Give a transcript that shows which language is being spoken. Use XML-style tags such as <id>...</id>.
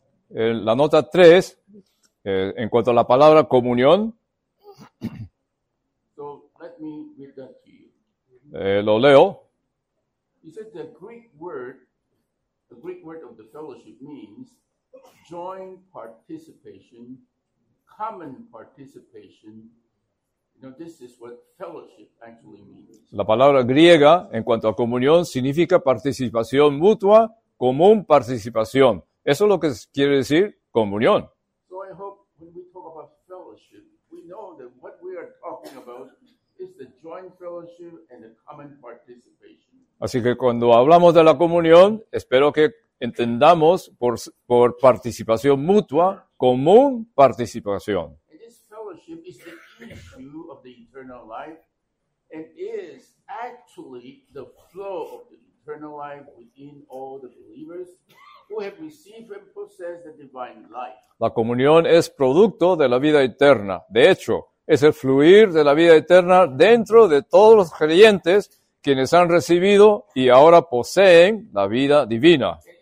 <es>La nota 3, en cuanto a la palabra comunión,</es> <en>so, let me read that to you.</en> <es>Lo leo.</es> <en>He said the Greek word of the fellowship means joint participation, common participation. Now, this is what fellowship actually means.</en> <es>La palabra griega en cuanto a comunión significa participación mutua, común participación. Eso es lo que quiere decir comunión.</es> <en>So I hope when we talk about fellowship, we know that what we are talking about is the joint fellowship and the common participation.</en> <es>Así que cuando hablamos de la comunión, espero que entendamos por participación mutua, común participación.</es> <en>And this fellowship is the issue of the eternal life and is actually the flow of the eternal life within all the believers who have received and possessed the divine life.</en> <es>La comunión es producto de la vida eterna. De hecho, es el fluir de la vida eterna dentro de todos los creyentes quienes han recibido y ahora poseen la vida divina.</es>